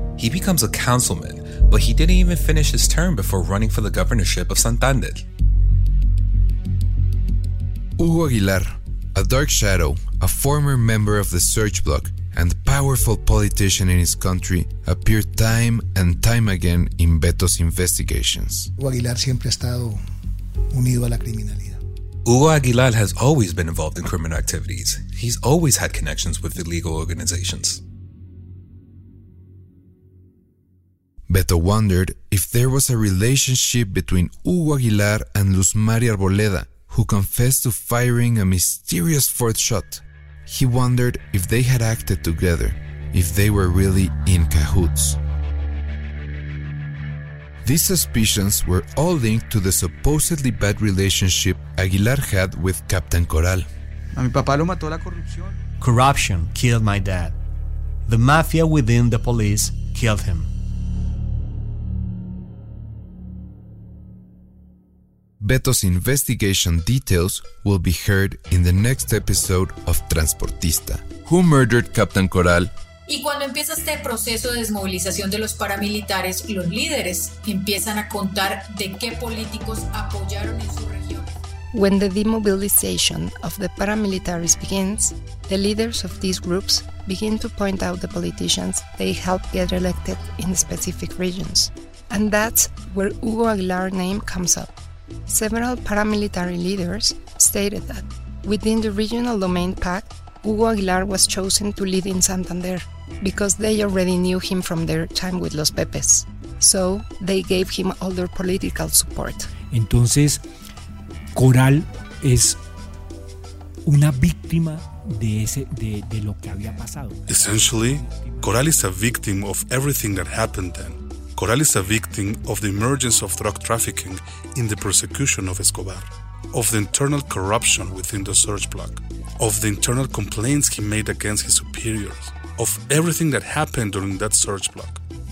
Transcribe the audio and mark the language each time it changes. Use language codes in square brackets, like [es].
[en] He becomes a councilman, but he didn't even finish his term before running for the governorship of Santander. Hugo Aguilar, a dark shadow, a former member of the search bloc, and powerful politician in his country, appeared time and time again in Beto's investigations. [es] Hugo Aguilar siempre ha estado unido a la criminalidad. [en] Hugo Aguilar has always been involved in criminal activities. He's always had connections with illegal organizations. Beto wondered if there was a relationship between Hugo Aguilar and Luz Mari Arboleda, who confessed to firing a mysterious fourth shot. He wondered if they had acted together, if they were really in cahoots. These suspicions were all linked to the supposedly bad relationship Aguilar had with Captain Coral. [es] A mi papá lo mató la corrupción. [en] Corruption killed my dad. The mafia within the police killed him. Beto's investigation details will be heard in the next episode of Transportista. Who murdered Captain Coral? [es] Y cuando empieza este proceso de desmovilización de los paramilitares, los líderes empiezan a contar de qué políticos apoyaron en su región. [en] When the demobilization of the paramilitaries begins, the leaders of these groups begin to point out the politicians they helped get elected in specific regions. And that's where Hugo Aguilar's name comes up. Several paramilitary leaders stated that within the regional domain pact, Hugo Aguilar was chosen to lead in Santander because they already knew him from their time with Los Pepes. So they gave him all their political support. [es] Entonces, Coral es una víctima de ese, de lo que había pasado. [en] Essentially, Coral is a victim of everything that happened then. Coral is a victim of the emergence of drug trafficking in the persecution of Escobar, of the internal corruption within the search bloc, of the internal complaints he made against his superiors, of everything that happened during that search bloc.